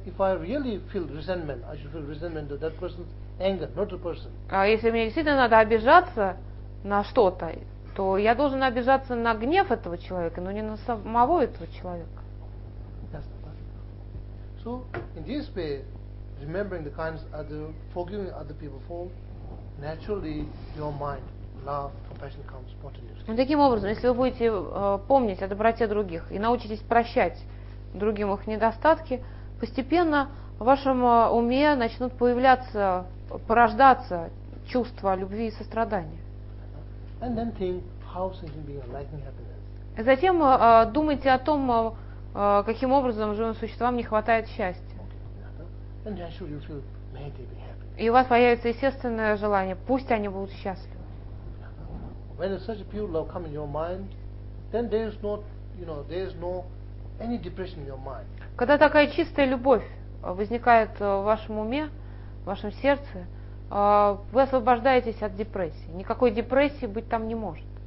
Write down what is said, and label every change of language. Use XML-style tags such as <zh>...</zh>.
<en>If I really feel resentment, I should feel resentment to that person. Anger, not the person.</en> <ru>А если мне действительно надо обижаться на что-то, то я должен обижаться на гнев этого человека, но не на самого этого человека.</ru> <en>So, in this way, remembering the kindness of other, forgiving other people for, naturally your mind, love, compassion comes spontaneously.</en> <ru>Таким образом, если вы будете помнить о доброте других и научитесь прощать другим их недостатки, постепенно в вашем уме начнут появляться порождаться чувства любви и сострадания.</ru> <en>And then think how sentient beings are lacking happiness.</en> <ru>И затем думайте о том, каким образом живым существам не хватает счастья.</ru> <en>Okay. And then should you feel may they be happy.</en> <ru>И у вас появится естественное желание, пусть они будут счастливы.</ru> <en>When such a pure love comes in your mind, then there is not, there is no any depression in your mind.</en> <ru>Когда такая чистая любовь возникает в вашем уме, в вашем сердце, вы освобождаетесь от депрессии. Никакой депрессии быть там не может.</ru>